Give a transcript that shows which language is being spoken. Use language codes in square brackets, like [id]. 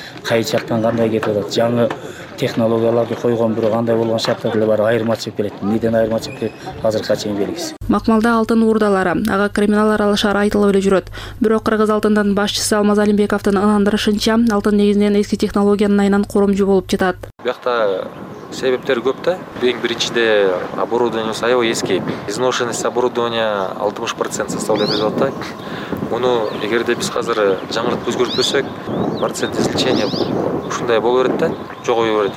[ky] Кай жактан кандай кетип атат, жаңы технологияларды койгон, бирок кандай болгон шарттар деле бар, айырмачылык келет. Эмнеден айырмачылык келет, азыркыга чейин белгисиз. Макмалда алтын урдалары, ага криминал аралашаар айтылып эле жүрөт. Бирок кыргыз алтынынын башчысы Алмаз Алимбековдун ынандырышынча, алтын негизинен эски технологиянын айынан коромжу болуп жатат. Биякта себептер көп да. Эң биринчиде оборудованиебиз аябай эски. [ru] Изношенность оборудования 60% составляет [ky] деп атат. Муну эгерде биз азыр жаңыртып өзгөртпөсөк, процент излечения ушундай боло берет да, жогоюп берет.